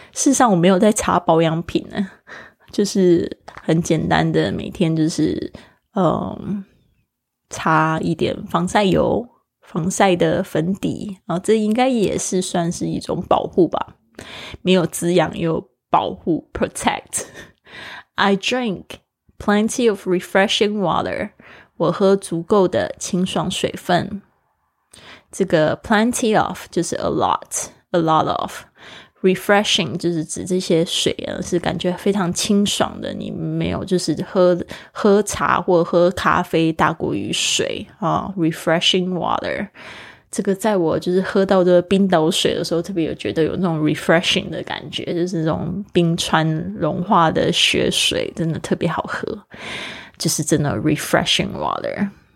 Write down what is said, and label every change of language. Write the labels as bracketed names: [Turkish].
[Chinese] 事实上我没有在擦保养品呢，就是很简单的每天就是擦一点防晒油，防晒的粉底，然后这应该也是算是一种保护吧，没有滋养又保护 protect。 [English] I drink plenty of refreshing water， [Chinese] 我喝足够的清爽水分。这个 [English] plenty of [Chinese] 就是 [English] a lot of， [Chinese] refreshing 就是指这些水啊，是感觉非常清爽的，你没有就是喝茶或喝咖啡大过于水啊。 [English] refreshing water， [Chinese] 这个在我就是喝到这个冰岛水的时候特别有觉得有那种 refreshing 的感觉，就是这种冰川融化的雪水真的特别好喝，就是真的 refreshing water。